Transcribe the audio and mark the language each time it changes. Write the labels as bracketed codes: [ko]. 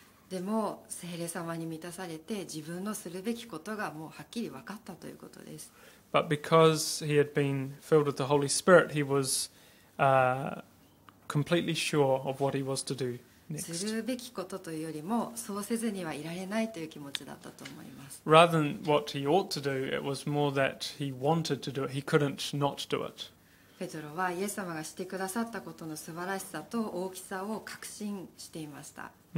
[ja] でも聖霊様に満たされて自分のするべきことがもうはっきり分かったということです。 [en] But because he had been filled with the Holy Spirit, he was... completely sure of what he was to do next. [ja] するべきことというよりも、そうせずにはいられないという気持ちだったと思います。 [en] Rather than what he ought to do, it was more that he wanted to do it. He couldn't not do it. [ja] ペトロはイエス様がしてくださったことの素晴らしさと大きさを確信していました。